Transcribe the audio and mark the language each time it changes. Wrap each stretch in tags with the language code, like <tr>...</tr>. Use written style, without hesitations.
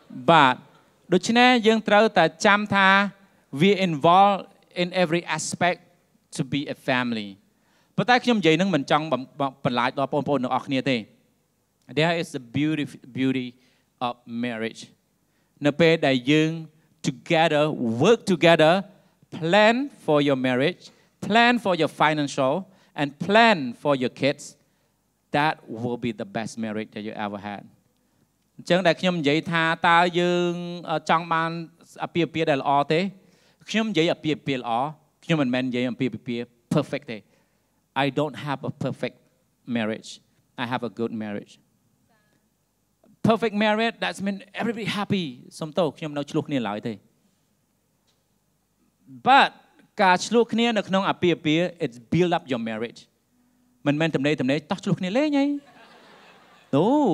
<km>បាទដូច្នេះយើងត្រូវតែចាំថា</km> <en>we involved in every aspect to be a family</en> <km>ប៉ុន្តែខ្ញុំនិយាយនឹងមិនចង់បន្លាចដល់បងប្អូនទាំងអស់គ្នាទេ</km> <en>there is the beauty of marriage</en> <km>នៅពេលដែលយើង</km> <en>Together, work together, plan for your marriage, plan for your financial, and plan for your kids. That will be the best marriage that you ever had.</en> <km>ចឹងតែខ្ញុំនិយាយថាតើយើងចង់បានអាពាហ៍ពិពាហ៍ដែលល្អទេខ្ញុំនិយាយអាពាហ៍ពិពាហ៍ល្អខ្ញុំមិនមែននិយាយអាពាហ៍ពិពាហ៍ perfect ទេ</km> <en>I don't have a perfect marriage. I have a good marriage. Perfect marriage that's mean everybody happy</en> <km>សំតោខ្ញុំនៅឆ្លោះគ្នាឡើយទេ but ការឆ្លោះគ្នានៅក្នុងអាពាហ៍ពិពាហ៍</km> <en>it's build up your marriage</en> <km>មិនមែនទំនេតោះឆ្លោះគ្នាលេងអី no</km>